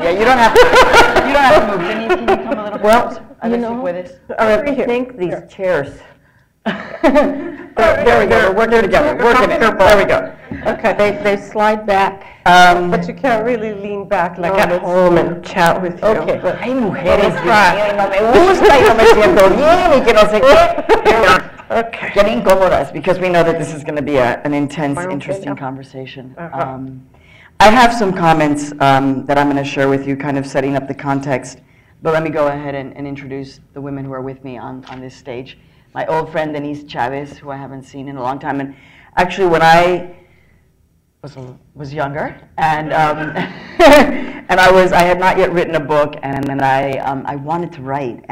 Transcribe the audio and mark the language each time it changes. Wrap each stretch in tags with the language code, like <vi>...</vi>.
<en>Yeah, you don't have to move. Can you come a little bit? Well, I think these chairs. There we go. We're there together. Working it. There we go. Okay. They slide back. But you can't really lean back like at home and chat with you. Okay.</en> <es>Hay mujeres que no me gusta y no me siento bien y que no sé qué.</es> <en>Okay. Getting incómodas because we know that this is going to be an intense, interesting conversation. I have some comments that I'm going to share with you, kind of setting up the context. But let me go ahead and introduce the women who are with me on this stage. My old friend, Denise Chavez, who I haven't seen in a long time. And actually, when I was younger, and and I had not yet written a book, and I wanted to write.</en>